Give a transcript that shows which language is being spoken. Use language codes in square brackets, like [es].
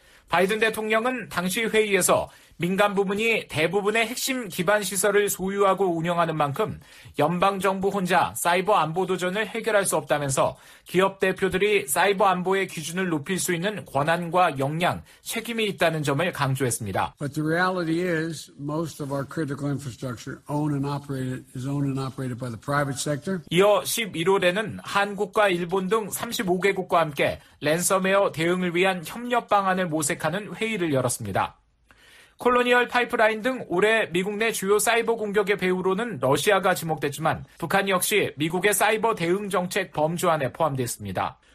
[ko] 바이든 대통령은 당시 회의에서 민간 부문이 대부분의 핵심 기반 시설을 소유하고 운영하는 만큼 연방정부 혼자 사이버 안보 도전을 해결할 수 없다면서 기업 대표들이 사이버 안보의 기준을 높일 수 있는 권한과 역량, 책임이 있다는 점을 강조했습니다. [en] But the reality is most of our critical infrastructure owned and operated by the private sector. [ko] 이어 11월에는 한국과 일본 등 35개국과 함께 랜섬웨어 대응을 위한 협력 방안을 모색하는 회의를 열었습니다. 콜로니얼 파이프라인 등 올해 미국 내 주요 사이버 공격의 배후로는 러시아가 지목됐지만 북한 역시 미국의 사이버 대응 정책 범주 안에 포함됐습니다.